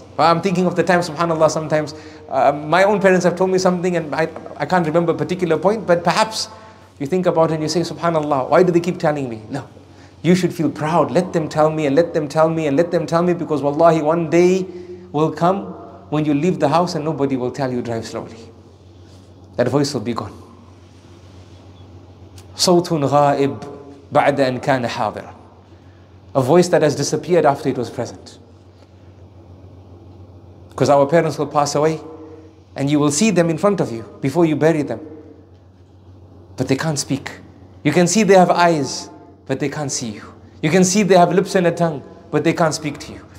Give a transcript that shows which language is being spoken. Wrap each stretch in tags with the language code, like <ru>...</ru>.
<en>I'm thinking of the time, subhanAllah, sometimes my own parents have told me something and I can't remember a particular point, but perhaps you think about it and you say, subhanAllah, why do they keep telling me? No, you should feel proud. Let them tell me and let them tell me and let them tell me, because wallahi, one day will come when you leave the house and nobody will tell you, drive slowly. That voice will be gone.</en> <ar>صوتٌ غائب بعد أن كان حاضرا.</ar> <en>A voice that has disappeared after it was present. Because our parents will pass away and you will see them in front of you before you bury them. But they can't speak. You can see they have eyes, but they can't see you. You can see they have lips and a tongue, but they can't speak to you.</en>